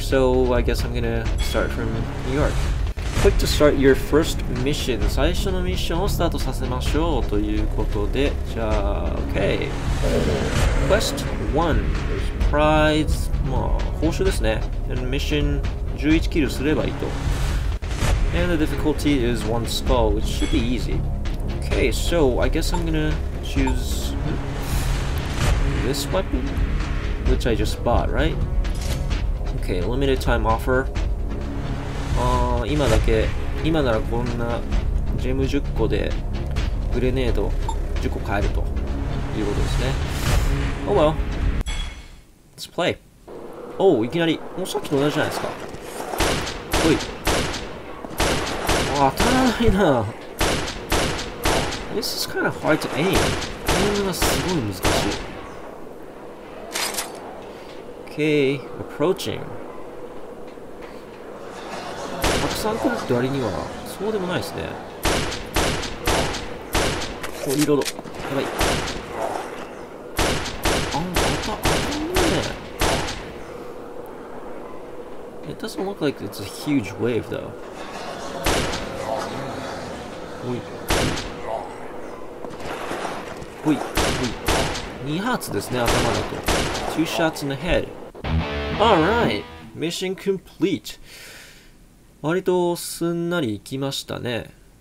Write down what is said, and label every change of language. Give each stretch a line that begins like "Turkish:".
English: So I guess I'm gonna start from New York. Click to start your first mission.
Japanese: 最初のミッションをスタートさせましょうということで、じゃあ、okay.
English: Quest 1 is prize,
Japanese: まあ、報酬ですね。
English: And mission
Japanese: 11キルすればいいと。
English: And the difficulty is 1 skull, which should be easy. Okay, so I guess I'm gonna choose this weapon, which I just bought, right? Okay, limited time offer. Ah, now,
Japanese: こんなジェム10個でグレネード10個買えるということですね。
English: Oh well. Let's play.
Japanese: Oh, いきなり、もうさっきと同じじゃないですか。おい。当たらないな。
English: This is kind of hard to aim. Aim
Japanese: がすごい難しい。
English: Okay, approaching.
Japanese: 参考って割にはそうでもないですね。おリロード、やばい。あんまた当たんねえ。
English: It doesn't look like it's a huge wave though.
Japanese: おいおいおい、2発ですね、頭だと。
English: 2 shots in the head. Alright, mission complete.
Japanese: 割とすんなり行きましたね。